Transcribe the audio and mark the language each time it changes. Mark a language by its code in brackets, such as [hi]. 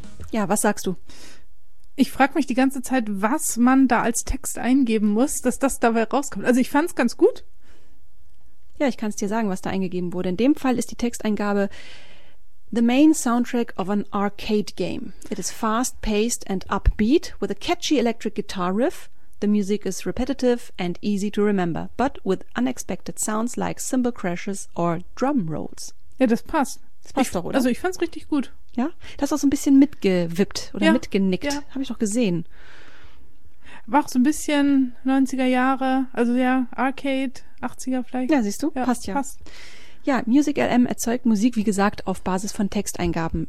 [de] Ja, was sagst du? Ich frage mich die ganze Zeit, was man da als Text eingeben muss, dass das dabei rauskommt. Also ich fand es ganz gut. Ja, ich kann es dir sagen, was da eingegeben wurde. In dem Fall ist die Texteingabe [en] The main soundtrack of an arcade game. It is fast-paced and upbeat with a catchy electric guitar riff. The music is repetitive and easy to remember, but with unexpected sounds like cymbal crashes or drum rolls. [de] Ja, das passt. Das passt doch, oder? Also ich fand es richtig gut. Ja? Du hast auch so ein bisschen mitgewippt oder mitgenickt. Ja. Habe ich doch gesehen. War auch so ein bisschen 90er Jahre, also ja, Arcade, 80er vielleicht. Ja, siehst du, ja, passt ja. Passt. Ja, Music LM erzeugt Musik, wie gesagt, auf Basis von Texteingaben.